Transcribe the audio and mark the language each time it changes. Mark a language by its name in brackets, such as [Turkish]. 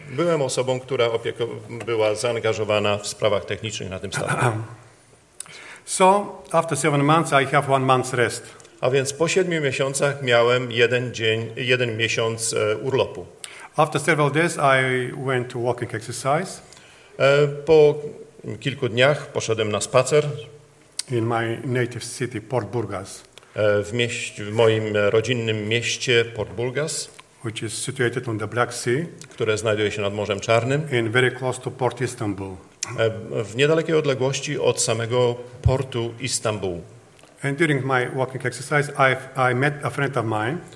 [Polish] Byłem osobą, która była zaangażowana w sprawach technicznych na tym statku. [English] So, after 7 months I have 1 month rest. [Polish] A więc po 7 miesiącach miałem jeden miesiąc urlopu. [English] After several days I went to walking exercise. [Polish] Po kilku dniach poszedłem na spacer [English] in my native city Port Burgas. [Polish] W moim rodzinnym mieście Port Burgas. [English] Which is situated on the Black Sea, [Polish] które znajduje się nad Morzem Czarnym, [English] and very close to Port Istanbul. [Polish] W niedalekiej odległości od samego portu Istanbul. [English] And during my walking exercise, I met a friend of mine.